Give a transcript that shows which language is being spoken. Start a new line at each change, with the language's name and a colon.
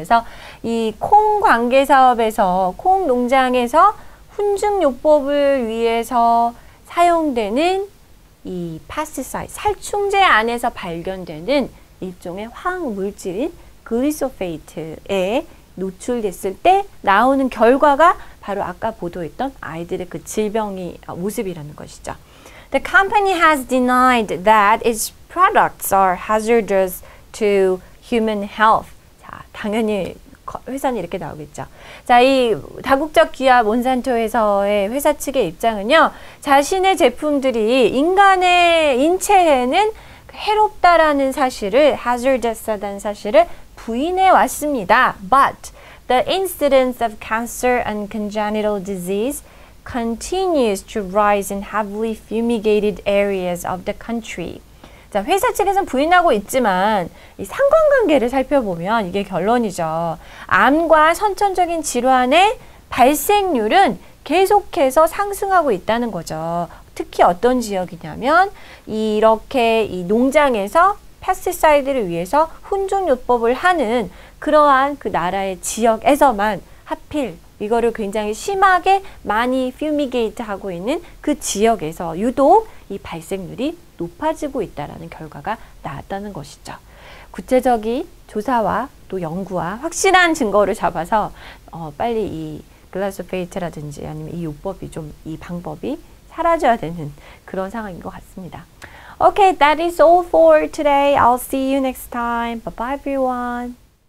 Korean: 그래서 이 콩 관계 사업에서 콩 농장에서 훈증요법을 위해서 사용되는 이 파스사이드, 살충제 안에서 발견되는 일종의 화학물질인 글리소페이트에 노출됐을 때 나오는 결과가 바로 아까 보도했던 아이들의 그 질병의 모습이라는 것이죠.
English: The company has denied that its products are hazardous to human health.
Korean: 자, 당연히 회사는 이렇게 나오겠죠. 자, 이 다국적 기업 몬산토에서의 회사 측의 입장은요. 자신의 제품들이 인간의 인체에는 해롭다라는 사실을, hazardous라는 사실을 부인해 왔습니다.
English: But the incidence of cancer and congenital disease continues to rise in heavily fumigated areas of the country.
Korean: 자, 회사 측에서는 부인하고 있지만 이 상관관계를 살펴보면 이게 결론이죠. 암과 선천적인 질환의 발생률은 계속해서 상승하고 있다는 거죠. 특히 어떤 지역이냐면 이렇게 이 농장에서 페스티사이드를 위해서 훈증요법을 하는 그러한 그 나라의 지역에서만 하필 이거를 굉장히 심하게 많이 퓨미게이트 하고 있는 그 지역에서 유독 이 발생률이 높아지고 있다는 결과가 나왔다는 것이죠. 구체적인 조사와 또 연구와 확실한 증거를 잡아서 빨리 이 글라소페이트라든지 아니면 이 요법이 좀 이 방법이 사라져야 되는 그런 상황인 것 같습니다.
English: Okay, that is all for today. I'll see you next time. Bye-bye, everyone.